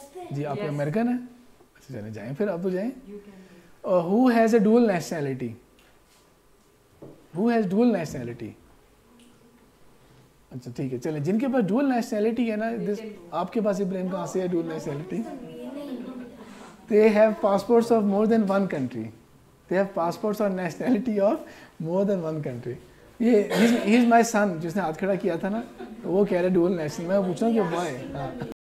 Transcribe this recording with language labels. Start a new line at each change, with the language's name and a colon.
Urdu: جی آپ امریکن ہیں, اچھا چلیں جائیں پھر, آپ تو جائیں.
English: Who has a dual nationality? Who has dual nationality?
Urdu: اچھا ٹھیک ہے چلیں, جن کے پاس ڈول نیشنلٹی ہے نا, دس آپ کے پاس ابراہیم کہاں سے ہے ڈول nationality,
English: they have passports of more than one country, they have passports اور nationality of more than one country,
Urdu: یہ
English: ہی is my son,
Urdu: جس نے ہاتھ کھڑا کیا تھا نا, وہ کہہ رہے ڈول نیشنل, میں پوچھ رہا ہوں کہ وائی.